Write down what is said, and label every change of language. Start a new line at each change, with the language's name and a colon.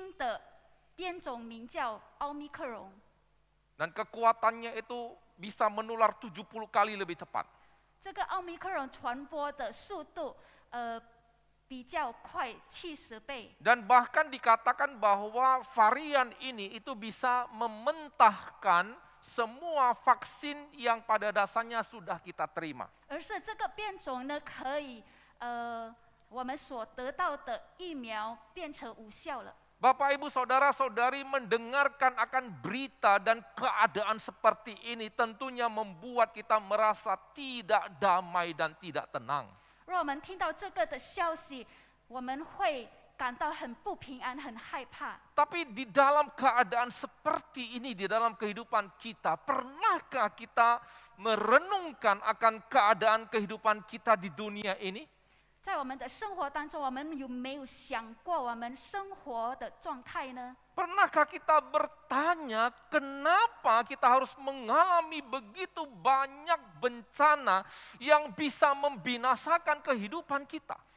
Chinese: 世界卫生组织宣布了有一种新的变种名叫奥密克戎。
Indonesian: Dan kekuatannya itu bisa menular 70 kali lebih cepat.
Chinese: 这个奥密克戎传播的速度
Indonesian: dan bahkan dikatakan bahwa varian ini itu bisa mementahkan semua vaksin yang pada dasarnya sudah kita terima.
Chinese: 而是这个变种呢，可以我们所得到的疫苗变成无效了。
Indonesian: Bapak, Ibu, Saudara, Saudari, mendengarkan akan berita dan keadaan seperti ini tentunya membuat kita merasa tidak damai dan tidak tenang.
Chinese: 若我们听到这个的消息，我们会感到很不平安，很害怕。
Indonesian: Tapi di dalam keadaan seperti ini, di dalam kehidupan kita, pernahkah kita merenungkan akan keadaan kehidupan kita di dunia ini?
Chinese: 在我们的生活当中，我们有没有想过我们生活的状态呢？
Indonesian: Pernahkah kita bertanya kenapa kita harus mengalami begitu banyak bencana yang bisa membinasakan kehidupan kita?